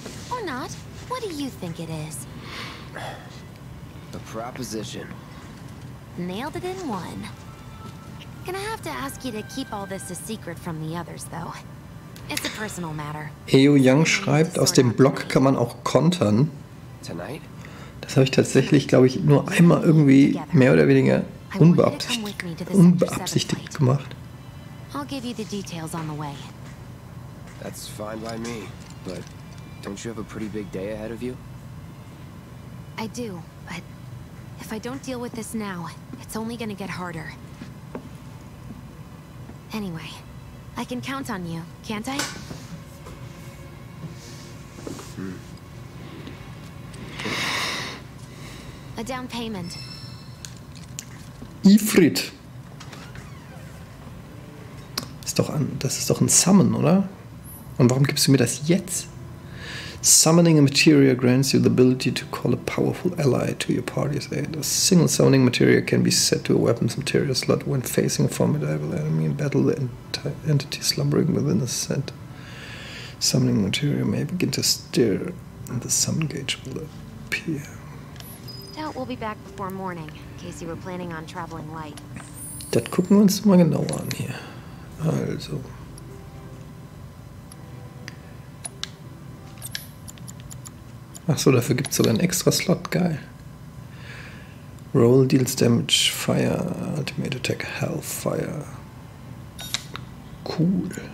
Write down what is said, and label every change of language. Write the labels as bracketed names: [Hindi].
[English] Or not. What do you think it is? A proposition. Nailed it in one. Gonna have to ask you to keep all this a secret from the others, though. It's a personal matter. [German] Heo Young schreibt, aus dem Block kann man auch kontern. [English] Tonight? [German] Das habe ich tatsächlich, glaube ich, nur einmal irgendwie mehr oder weniger unbeabsichtigt gemacht. [English] I'll give you the details on the way. That's fine by me, but don't you have a pretty big day ahead of you? I do, but if I don't deal with this now, it's only gonna get harder. Anyway, I can count on you, can't I? Hm. A down payment. Ifrit. [German] Ist doch an. Das ist doch ein Summon, oder? Und warum gibst du mir das jetzt? [English] Summoning a material grants you the ability to call a powerful ally to your party's aid. A single summoning material can be set to a weapon's material slot when facing a formidable enemy in battle. The entity slumbering within the set. Summoning material may begin to stir and the summon gauge will appear. Doubt we'll be back before morning, in case you were planning on traveling light. [German] Das gucken wir uns mal genau an hier. Also. Achso, dafür gibt es sogar einen extra Slot. Geil. [English] Roll deals damage, fire, ultimate attack, hellfire. [German] Cool.